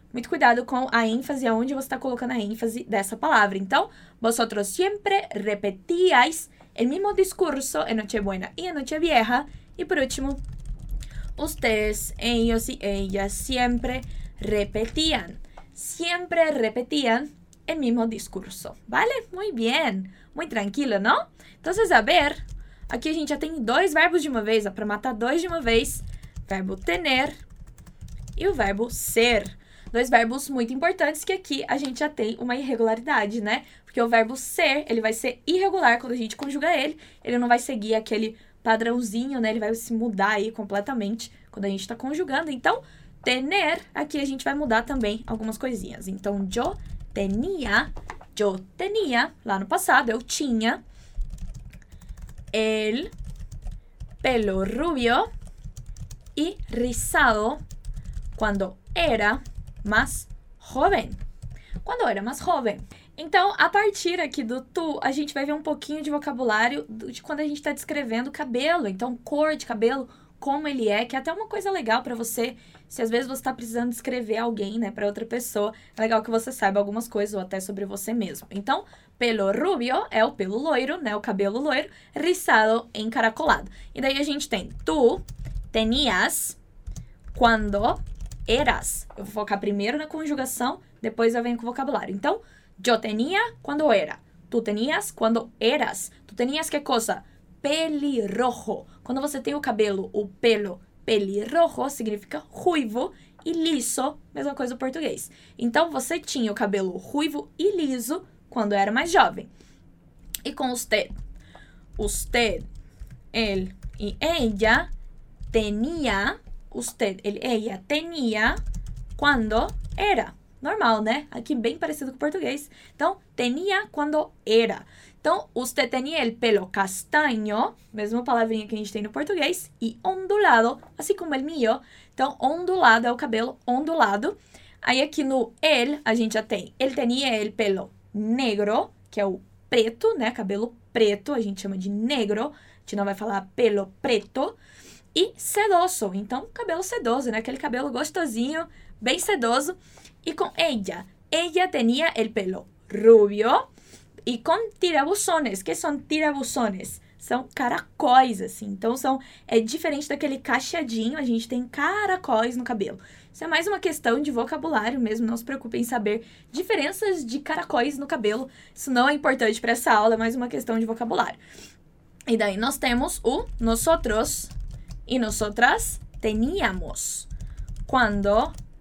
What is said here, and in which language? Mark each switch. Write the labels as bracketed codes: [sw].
[pt] Muito cuidado com a ênfase, aonde você está colocando a ênfase dessa palavra. [es] Então, vosotros siempre repetíais el mismo discurso en Nochebuena y en Nochevieja. Y por último, ustedes, ellos y ellas siempre repetían. Siempre repetían. El mismo discurso, ¿vale? Muy bien, muy tranquilo, ¿no? Entonces, a ver, [pt] aqui a gente já tem dois verbos de uma vez, ó, para matar dois de uma vez, verbo tener e o verbo ser. Dois verbos muito importantes que aqui a gente já tem uma irregularidade, né? Porque o verbo ser, ele vai ser irregular quando a gente conjuga ele, ele não vai seguir aquele padrãozinho, né? Ele vai se mudar aí completamente quando a gente está conjugando. Então, tener, aqui a gente vai mudar também algumas coisinhas. Então, yo... [es] Tenía, yo tenía, [pt] lá no passado, eu tinha, [es] el pelo rubio y rizado cuando era más joven. Cuando era más joven. [pt] Então, a partir aqui do tu, a gente vai ver um pouquinho de vocabulário de quando a gente está descrevendo cabelo. Então, cor de cabelo, como ele é, que é até uma coisa legal para você... Se às vezes você está precisando descrever alguém, né, para outra pessoa, é legal que você saiba algumas coisas ou até sobre você mesmo. Então, pelo rubio é o pelo loiro, né, o cabelo loiro, rizado, encaracolado. E daí a gente tem, [es] tu tenías cuando eras. [pt] Eu vou focar primeiro na conjugação, depois eu venho com o vocabulário. [es] Então, yo tenía cuando era, tú tenías cuando eras. Tú tenías que cosa? Pelirrojo. [pt] Quando você tem o cabelo, o pelo pelirrojo significa ruivo e liso, mesma coisa do português. Então, você tinha o cabelo ruivo e liso quando era mais jovem. E com usted? [es] Usted, él y ella tenía, usted, él y ella tenía cuando era. [pt] Normal, né? Aqui bem parecido com o português. Então, tenía cuando era. Então, [es] usted tenía el pelo castaño, [pt] mesma palavrinha que a gente tem no português, e ondulado, assim como el mío. Então, ondulado é o cabelo ondulado. Aí, aqui no él, a gente já tem, [es] él tenía el pelo negro, [pt] que é o preto, né? Cabelo preto, a gente chama de negro. A gente não vai falar pelo preto. E sedoso, então, cabelo sedoso, né? Aquele cabelo gostosinho, bem sedoso. E com [es] ella, ella tenía el pelo rubio. [pt] E com tirabuzones, que são tirabuzones? São caracóis, assim. Então, são, é diferente daquele cacheadinho, a gente tem caracóis no cabelo. Isso é mais uma questão de vocabulário mesmo, não se preocupe em saber diferenças de caracóis no cabelo. Isso não é importante para essa aula, é mais uma questão de vocabulário. E daí, nós temos o nosotros e nosotras teníamos quando